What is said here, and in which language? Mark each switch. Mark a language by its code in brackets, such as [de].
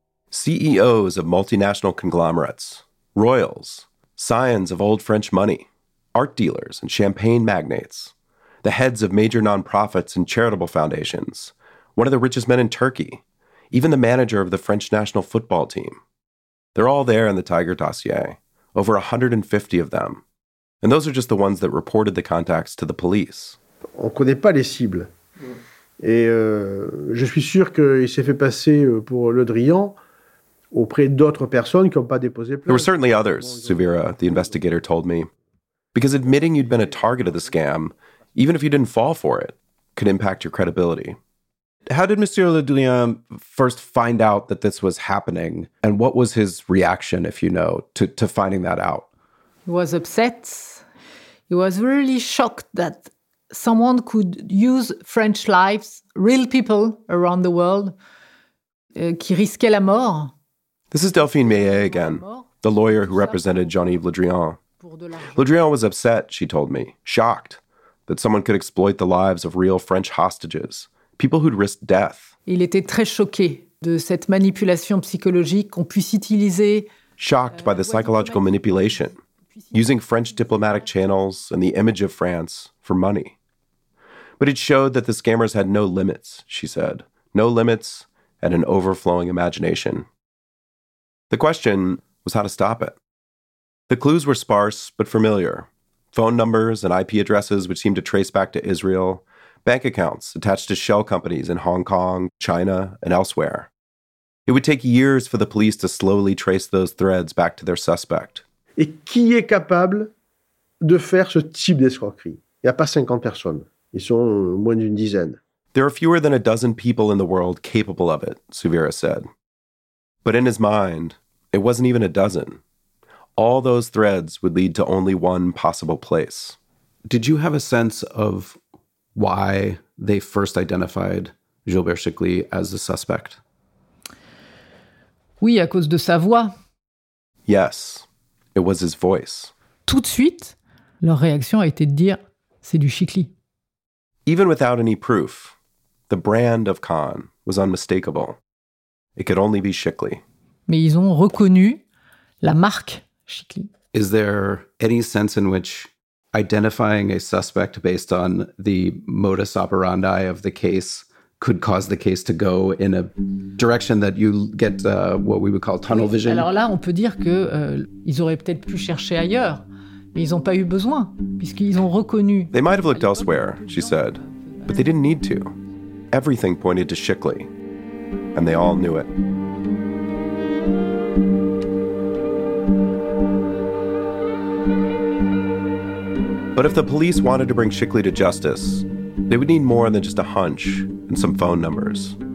[en] CEOs of multinational conglomerates, royals, scions of old French money, art dealers and champagne magnates, the heads of major nonprofits and charitable foundations, one of the richest men in Turkey, even the manager of the French national football team. They're all there in the Tiger dossier, over 150 of them. And those are just the ones that reported the contacts to the police. [fr] On ne connaît pas les cibles. Et je suis sûr qu'il s'est fait passer pour Le Drian auprès d'autres personnes qui n'ont pas déposé plainte. [en] There were certainly others, Suvira, the investigator told me. Because admitting you'd been a target of the scam, even if you didn't fall for it, could impact your credibility. How did Monsieur Le Drian first find out that this was happening? And what was his reaction, if you know, to finding that out? He was upset. He was really shocked that someone could use French lives, real people around the world, [fr] qui risquait la mort. [en] This is Delphine Maillet again, the lawyer who represented Jean-Yves Le Drian. Le Drian was upset, she told me, shocked that someone could exploit the lives of real French hostages, people who'd risked death. [fr] Il était très choqué de cette manipulation psychologique qu'on puisse utiliser. [en] Shocked by the psychological manipulation, using French diplomatic channels and the image of France for money. But it showed that the scammers had no limits, she said. No limits and an overflowing imagination. The question was how to stop it. The clues were sparse but familiar. Phone numbers and IP addresses which seemed to trace back to Israel. Bank accounts attached to shell companies in Hong Kong, China, and elsewhere. It would take years for the police to slowly trace those threads back to their suspect. [fr] Et qui est capable de faire ce type d'escroquerie? Il n'y a pas 50 personnes. Ils sont moins d'une dizaine. [en] There are fewer than a dozen people in the world capable of it, Suvira said. But in his mind, it wasn't even a dozen. All those threads would lead to only one possible place. Did you have a sense of why they first identified Gilbert Chicly as the suspect? [fr] Oui, à cause de sa voix. [en] Yes, it was his voice. [fr] Tout de suite, leur réaction a été de dire, c'est du Chicly. [en] Even without any proof, the brand of Khan was unmistakable. It could only be Chicly. [fr] Mais ils ont reconnu la marque Chicly. [en] Is there any sense in which identifying a suspect based on the modus operandi of the case could cause the case to go in a direction that you get what we would call tunnel vision? [fr] Alors là, on peut dire que ils auraient peut-être pu chercher ailleurs, mais ils n'ont pas eu besoin, puisqu'ils ont reconnu. [en] They might have looked elsewhere, she said, but they didn't need to. Everything pointed to Chicly, and they all knew it. But if the police wanted to bring Chicly to justice, they would need more than just a hunch and some phone numbers.